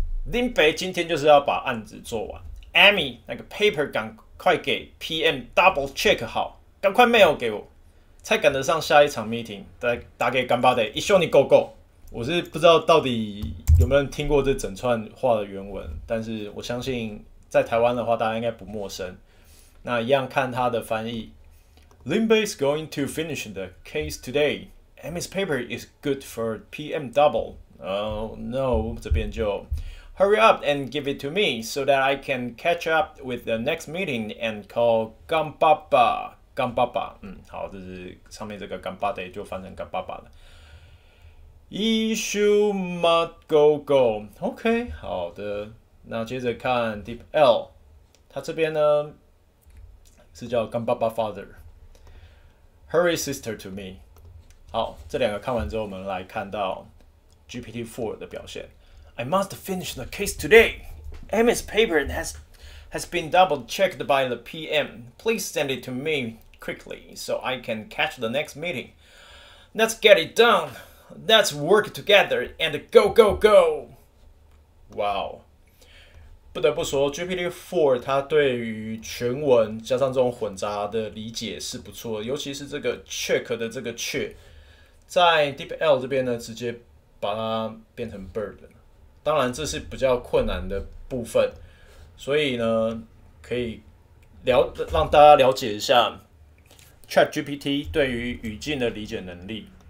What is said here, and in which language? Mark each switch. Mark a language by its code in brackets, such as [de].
[zh] 林北今天就是要把案子做完。Amy， 那个 paper 赶快给 [en] PM double check [zh] 好，赶快 mail 给我，才赶得上下一场 meeting。打给干爸的，一秀你 [en] go go。 [zh] 我是不知道到底有没有听过这整串话的原文？但是我相信在台湾的话，大家应该不陌生。那一样看它的翻译。 [en] Limbe is going to finish the case today. Emmy's paper is good for PM double. Oh no， [zh] 这边就 [en] Hurry up and give it to me so that I can catch up with the next meeting and call [zh] 干爸爸。干爸爸，好，这是上面这个干爸爸就翻成干爸爸了。 [en] Issue must go go，OK， [zh] 好的。那接着看 Deep L，他这边呢是叫干爸爸 [en] Father，Hurry sister to me。 [zh] 好，这两个看完之后，我们来看到 GPT-4 的表现。 [en] I must finish the case today. Emmy's paper has been double checked by the PM. Please send it to me quickly so I can catch the next meeting. Let's get it done. Let's work together and go go go. [zh] 哇哦，不得不说，GPT-4 它对于全文加上这种混杂的理解是不错，尤其是这个 check 的这个 check，在 DeepL 这边呢，直接把它变成 bird。当然，这是比较困难的部分，所以呢，可以让大家了解一下 ChatGPT 对于语境的理解能力。